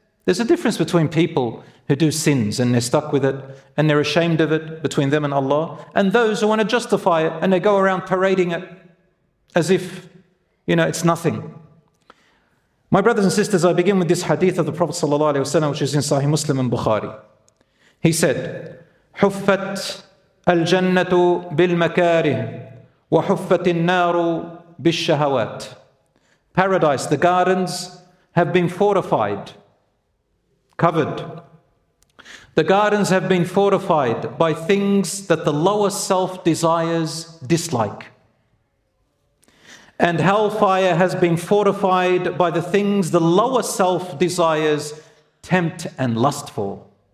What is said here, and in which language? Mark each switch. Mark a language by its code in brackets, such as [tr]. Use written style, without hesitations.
[en] There's a difference between people who do sins and they're stuck with it and they're ashamed of it, between them and Allah, and those who want to justify it and they go around parading it as if, you know, it's nothing. My brothers and sisters, I begin with this hadith of the Prophet sallallahu alaihi wasallam, which is in Sahih Muslim and Bukhari. He said, [ar] حُفَّتْ الجنة بالمكاره وحفت النار بالشهوات. [en] Paradise, the gardens have been fortified, covered. The gardens have been fortified by things that the lower self desires dislike. And hellfire has been fortified by the things the lower self desires tempt and lust for.